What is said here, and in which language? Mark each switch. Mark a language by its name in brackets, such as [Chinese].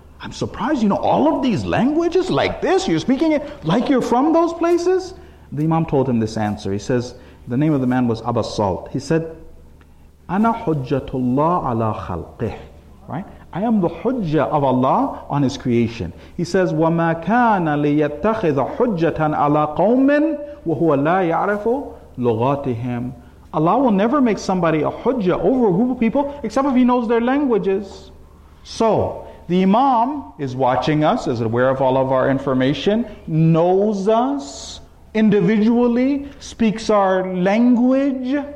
[English] I'm surprised, you know, all of these languages like this, you're speaking it like you're from those places? The imam told him this answer. He says, the name of the man was Abu Salt. He said, [Arabic] Ana hujjatullah ala khalqih. [English] Right? I am the hujja of Allah on his creation. He says, [Arabic] وَمَا كَانَ لِيَتَّخِذَ حُجَّةً عَلَىٰ قَوْمٍ وَهُوَ لَا يَعْرَفُ لُغَاتِهِمْ. [English] Allah will never make somebody a hujja over a group of people except if he knows their languages. So, the imam is watching us, is aware of all of our information, knows us individually, speaks our language.